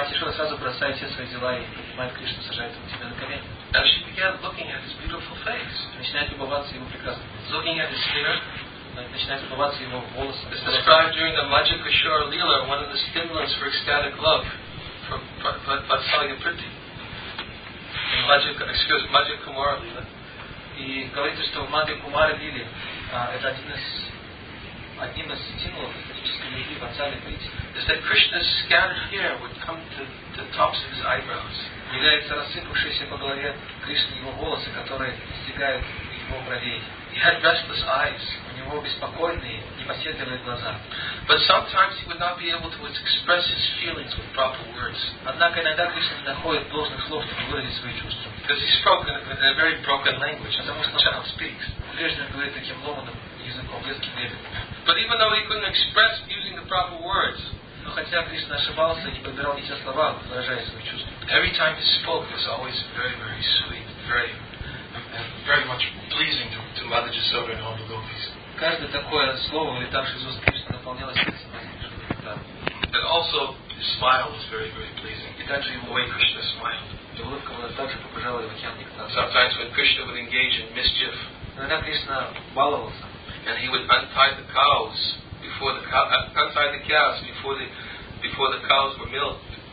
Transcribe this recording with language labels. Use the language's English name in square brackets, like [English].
[English] And she began looking at his beautiful face. Looking at his hair. It's described during the Maja Kishore Leela, one of the stimulants for ecstatic love from Vatsalya Priti. Maja Kumara Leela. [Russian] И говорится, что в Мадхи Кумара Лиле это одним из стимулов исторической любви в Ацале Прити. [English] Is that Krishna's scattered hair would come to the tops of his eyebrows. [Russian] Является рассыпавшиеся по голове Кришны его волосы, которые достигают его бровей. [English] He had restless eyes. [Russian] У него беспокойные, непоседливые глаза. [English] But sometimes he would not be able to express his feelings with proper words. [Russian] Однако иногда Кришна не находит должных слов, чтобы выразить свои чувства. [English] Because he spoke in a very broken language, as a Muslim child speaks. But even though he couldn't express using the proper words, every time he spoke, it was always very, very sweet, very, very much pleasing to Mother Jasoda and all the gopis. [Russian] Каждое такое слово или также из уст Кришны наполнялось сердце Матери Джасовы. [English] But also his smile was very, very pleasing. [Russian] И также его [English] way Krishna smiled. Sometimes when Krishna would engage in mischief, and he would untie the cows before the cows were milked.